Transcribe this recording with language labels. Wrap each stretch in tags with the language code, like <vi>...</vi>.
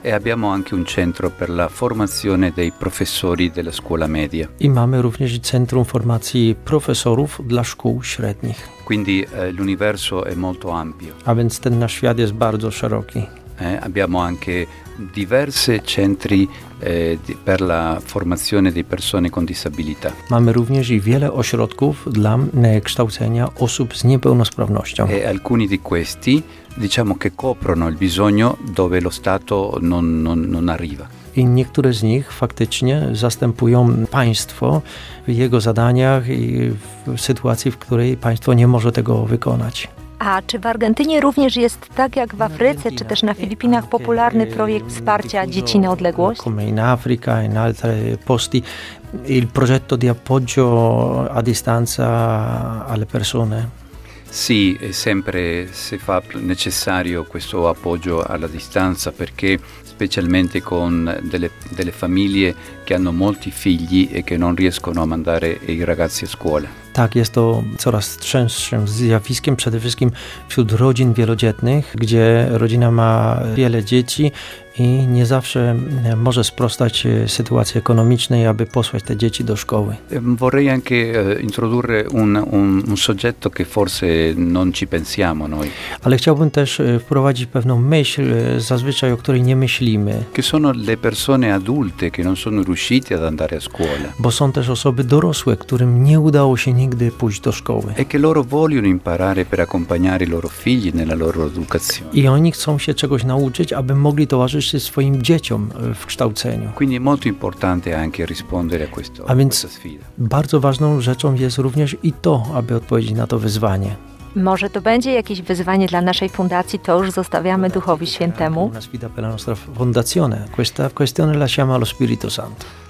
<it>E abbiamo anche un centro per la formazione dei professori della scuola media.</it> <pl>I mamy również centrum formacji profesorów dla szkół średnich.</pl> <it>Quindi l'universo è molto ampio.</it> <pl>A więc ten nasz świat jest bardzo szeroki.</pl> <it>Abbiamo anche diversi centri per la formazione di persone con disabilità.</it> <pl>Mamy również i wiele ośrodków dla kształcenia osób z niepełnosprawnością.</pl> <it>E alcuni di questi diciamo che coprono il bisogno dove lo Stato non arriva.</it> <pl>I niektóre z nich faktycznie zastępują państwo w jego zadaniach i w sytuacji, w której państwo nie może tego wykonać. A czy w Argentynie również jest tak jak w Afryce, czy też na Filipinach popularny projekt wsparcia dzieci na odległość?</pl> <it>Come in Africa, in altri posti, il progetto di appoggio a distanza alle persone. Sì, è sempre se fa più necessario questo appoggio alla distanza perché specialmente con delle famiglie che hanno molti figli e che non riescono a mandare i ragazzi a scuola.</it> <pl>Tak, jest to coraz częstszym zjawiskiem, przede wszystkim wśród rodzin wielodzietnych, gdzie rodzina ma wiele dzieci i nie zawsze może sprostać sytuacji ekonomicznej, aby posłać te dzieci do szkoły.</pl> <it>Vorrei anche introdurre un soggetto che forse non ci pensiamo noi.</it> <pl>Ale chciałbym też wprowadzić pewną myśl, zazwyczaj o której nie myślimy.</pl> <it>Che sono le persone adulte che non sono riuscite ad andare a scuola.</it> <pl>Bo są też osoby dorosłe, którym nie udało się nigdy pójść do szkoły.</pl> <it>E che loro vogliono imparare per accompagnare i loro figli nella loro educazione.</it> <pl>I oni chcą się czegoś nauczyć, aby mogli towarzyszyć swoim dzieciom w kształceniu.</pl> <it>Quindi molto importante anche rispondere a questo.</it> <pl>A więc</pl> <it>questa sfida.</it> <pl>Bardzo ważną rzeczą jest również i to, aby odpowiedzieć na to wyzwanie. Może to będzie jakieś wyzwanie dla naszej fundacji, to już zostawiamy Duchowi Świętemu.</pl> <it>Una sfida per la nostra fondazione. Questa questione la chiama allo Spirito Santo.</it>